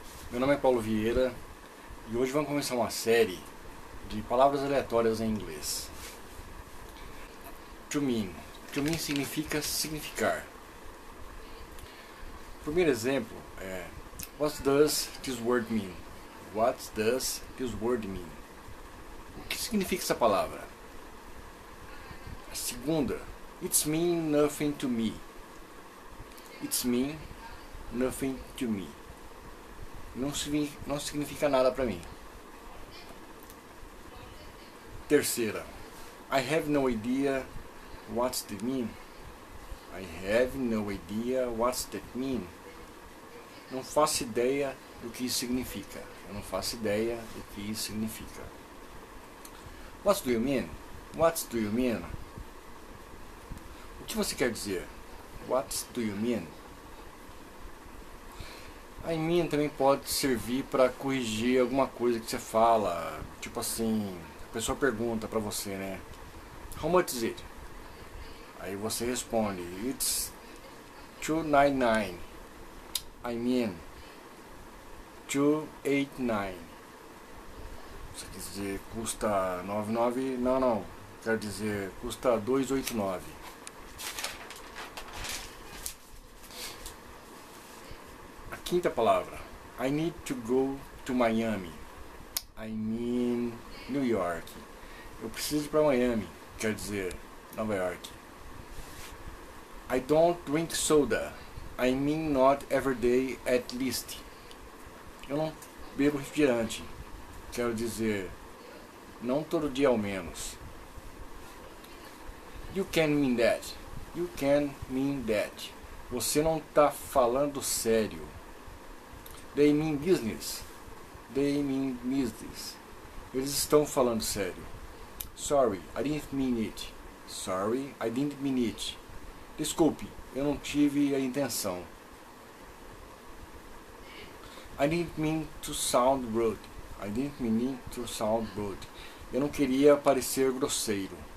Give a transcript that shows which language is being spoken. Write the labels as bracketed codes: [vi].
[pt] Meu nome é Paulo Vieira e hoje vamos começar uma série de palavras aleatórias em inglês. [en] To mean [pt] significa significar. Primeiro exemplo é [en] What does this word mean? What does this word mean? [pt] O que significa essa palavra? A segunda, [en] It's mean nothing to me. It's mean nothing to me. [pt] Não significa nada para mim. Terceira. [en] I have no idea what's that mean. I have no idea what's that mean. [pt] Não faço ideia do que isso significa. Eu não faço ideia do que isso significa. [en] What do you mean? What do you mean? [pt] O que você quer dizer? [en] What do you mean? [pt] A I mean também pode servir para corrigir alguma coisa que você fala. Tipo assim, a pessoa pergunta para você, né? [en] How much is it? [pt] Aí você responde, [en] It's 299. I mean, 289. [pt] Você quer dizer, custa 99? Não, não. Quer dizer, custa 289. Quinta palavra, [en] I need to go to Miami. I mean New York. [pt] Eu preciso ir para Miami, quer dizer Nova York. [en] I don't drink soda. I mean not every day at least. [pt] Eu não bebo refrigerante, quero dizer não todo dia ao menos. [en] You can mean that. You can mean that. [pt] Você não está falando sério. [en] They mean business. They mean business. [pt] Eles estão falando sério. [en] Sorry, I didn't mean it. Sorry, I didn't mean it. [pt] Desculpe, eu não tive a intenção. [en] I didn't mean to sound rude. I didn't mean to sound rude. [pt] Eu não queria parecer grosseiro.